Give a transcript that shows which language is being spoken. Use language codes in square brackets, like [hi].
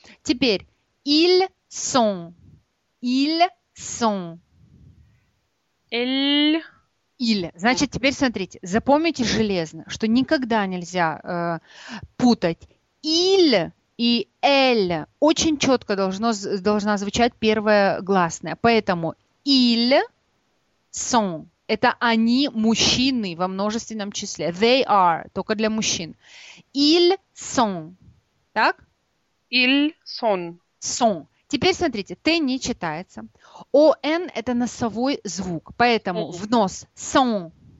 [ru] Теперь, [fr] ils sont. Ils sont. Ils. [ru] Значит, теперь смотрите, запомните железно, что никогда нельзя путать. [fr] Ils [ru] и [fr] elle. [ru] Очень четко должна звучать первая гласная. Поэтому, [fr] ils sont. [ru] Это они, мужчины, во множественном числе. [en] They are, [ru] только для мужчин. [fr] Ils sont. [ru] Так? [fr] Ils sont. Sont. [ru] Теперь смотрите, T не читается. ON – это носовой звук, поэтому в нос sont.